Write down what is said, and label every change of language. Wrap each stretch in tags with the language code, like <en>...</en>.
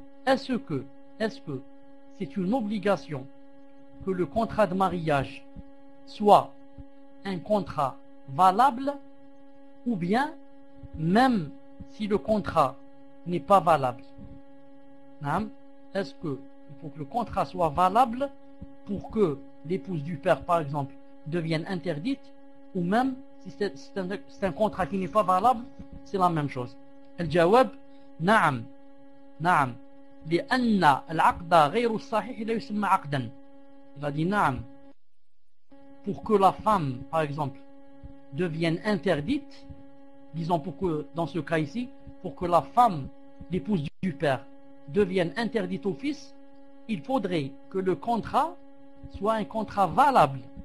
<fr>Est-ce que c'est une obligation que le contrat de mariage soit un contrat valable ou bien même si le contrat n'est pas valable? Est-ce qu'il faut que le contrat soit valable pour que l'épouse du père, par exemple, devienne interdite ou même si c'est un contrat qui n'est pas valable, c'est la même chose. Al-Jawab, Naam.</fr> <ar>لأن العقد غير الصحيح لا يسمى عقدا.</ar> <fr>Il a dit Naam. Pour que la femme, par exemple, devienne interdite, disons pour que, dans ce cas ici, pour que la femme, l'épouse du père, devienne interdite au fils, il faudrait que le contrat soit un contrat valable.</fr>